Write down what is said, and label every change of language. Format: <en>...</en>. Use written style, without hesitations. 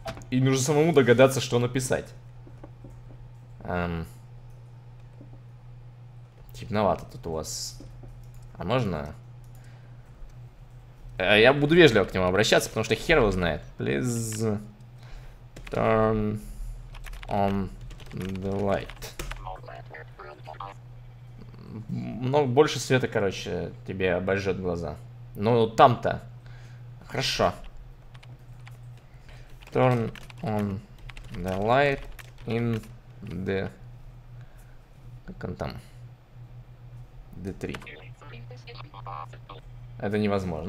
<ru>И нужно самому догадаться, что написать. Типновато тут у вас. А можно? Я буду вежливо к нему обращаться, потому что хер его знает.</ru> <en>Please turn on the light.</en> <ru>Много больше света, короче, тебе обожжет глаза. Ну, там-то. Хорошо.</ru> <en>Turn on the light in the...</en> <ru>Как он там?</ru> <en>D3.</en> <ru>Это невозможно.</ru>